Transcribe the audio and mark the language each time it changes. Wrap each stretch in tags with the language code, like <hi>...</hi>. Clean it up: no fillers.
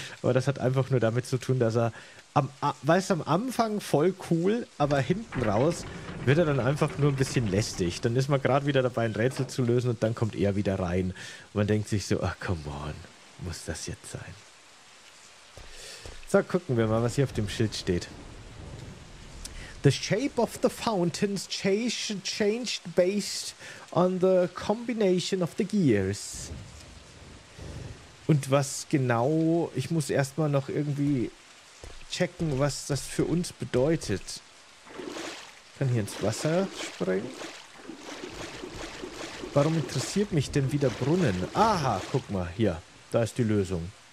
<de>Aber das hat einfach nur damit zu tun, dass er am Anfang voll cool, aber hinten raus wird er dann einfach nur ein bisschen lästig. Dann ist man gerade wieder dabei, ein Rätsel zu lösen und dann kommt er wieder rein. Und man denkt sich so, ach, come on. Muss das jetzt sein? So, gucken wir mal, was hier auf dem Schild steht.</de> <en>The shape of the fountains changed based on the combination of the gears.</en> <de>Und was genau, ich muss erstmal noch irgendwie checken, was das für uns bedeutet. Ich kann hier ins Wasser springen. Warum interessiert mich denn wieder Brunnen? Aha, guck mal, hier. Da ist die Lösung.</de>